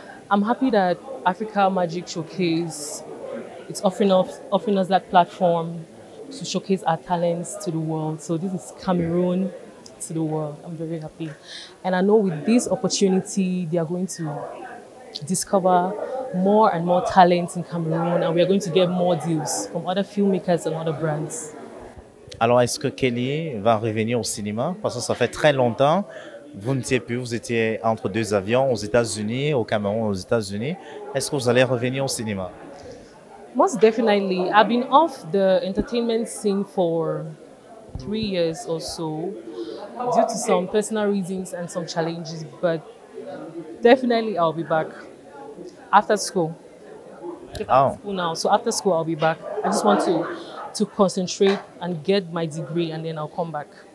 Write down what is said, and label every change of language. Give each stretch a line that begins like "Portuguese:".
English: I'm happy that Africa Magic Showcase, it's offering us that platform to showcase our talents to the world. So this is Cameroon to the world. I'm very happy. And I know with this opportunity, they are going to discover more and more talents in Cameroon, and we are going to get more deals from other filmmakers and other brands.
French: Alors, est-ce que Kelly va revenir au cinéma? Parce que ça fait très longtemps vous n'étiez plus, vous étiez entre deux avions aux États-Unis, au Cameroun, aux États-Unis. Est-ce que vous allez revenir au cinéma?
English: Most definitely. I've been off the entertainment scene for 3 years or so due to some personal reasons and some challenges, but definitely I'll be back after school. So after school I'll be back. I just want to concentrate and get my degree and then I'll come back.